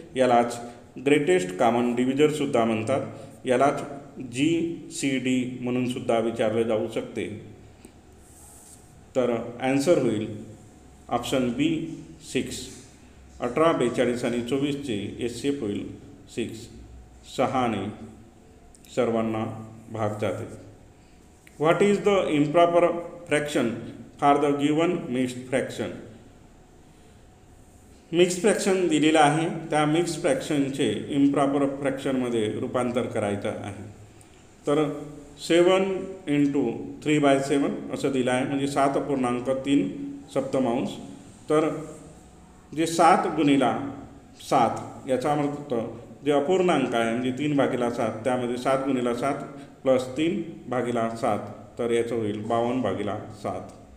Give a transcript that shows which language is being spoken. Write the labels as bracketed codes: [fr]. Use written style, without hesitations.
[mr] यालाच greatest common डिव्हिजरसुद्धा म्हणतात. यालाच GCD म्हणूनसुद्धा विचारले जाऊ शकते. तर ॲन्सर होईल ऑप्शन बी 6. 18, 42 आणि 24 चे एचसीएफ होईल 6. 6 ने सर्वांना भाग जाते। [en] What is the improper fraction for the given mixed fraction? [mr] Mixed fraction दिलेला आहे, त्या मिक्स्ड फ्रैक्शन चे इम्प्रॉपर फ्रैक्शन मध्ये रूपांतर करायचं आहे। तर 7 × 3/7 असं दिलं आहे, म्हणजे 7.3 सप्तमांश। तर जे 7 × 7 याचा अर्थ जे अपूर्णांक आहे म्हणजे 3/7, त्यामध्ये 7 × 7 + 3/7, तर याचं होईल 52/7।